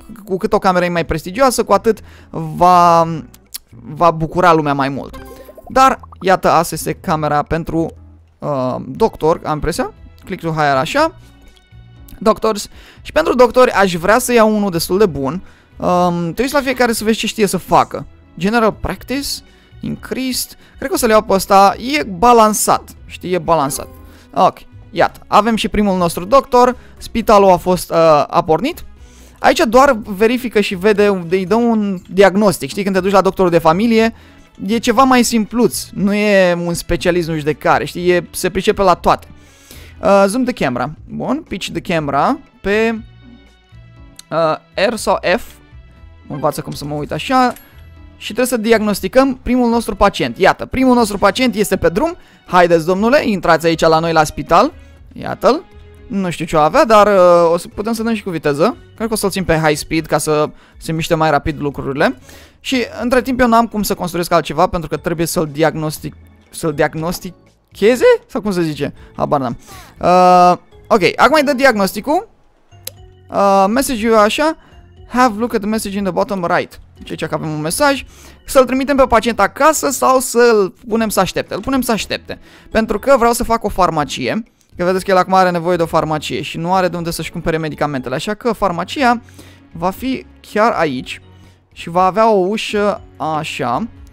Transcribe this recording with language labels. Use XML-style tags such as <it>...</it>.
<ro>Cu cât o cameră e mai prestigioasă, cu atât va bucura lumea mai mult. Dar, iată, asta este camera pentru doctor, am impresia.</ro> <en>Click to hire,</en> <ro>așa. Doctors. Și pentru doctori aș vrea să iau unul destul de bun. Trebuie la fiecare să vezi ce știe să facă.</ro> <en>General practice, increased.</en> <ro>Cred că o să-l iau pe ăsta. E balansat, știi, e balansat. Ok, iată, avem și primul nostru doctor. Spitalul a fost a pornit. Aici doar verifică și vede, îi dă un diagnostic, știi, când te duci la doctorul de familie, e ceva mai simpluț, nu e un specialist, nu știu de care, știi, se pricepe la toate.</ro> <en>Zoom the camera,</en> <ro>bun,</ro> <en>pitch the camera</en> <ro>pe R sau F, învață cum să mă uit așa, și trebuie să diagnosticăm primul nostru pacient. Iată, primul nostru pacient este pe drum, haideți domnule, intrați aici la noi la spital, iată-l. Nu știu ce o avea, dar o să putem să dăm și cu viteză. Cred că o să-l țin pe high speed ca să se miște mai rapid lucrurile. Și între timp eu n-am cum să construiesc altceva pentru că trebuie să-l diagnostic... Să-l diagnosticheze? Sau cum se zice? Habar n-am. Ok, acum îi dă diagnosticul. Message-ul e așa.</ro> <en>Have look at the message in the bottom right.</en> <ro>Deci aici că avem un mesaj. Să-l trimitem pe pacient acasă sau să-l punem să aștepte? Îl punem să aștepte. Pentru că vreau să fac o farmacie. Că vedeți că el acum are nevoie de o farmacie și nu are de unde să-și cumpere medicamentele. Așa că farmacia va fi chiar aici și va avea o ușă așa.</ro>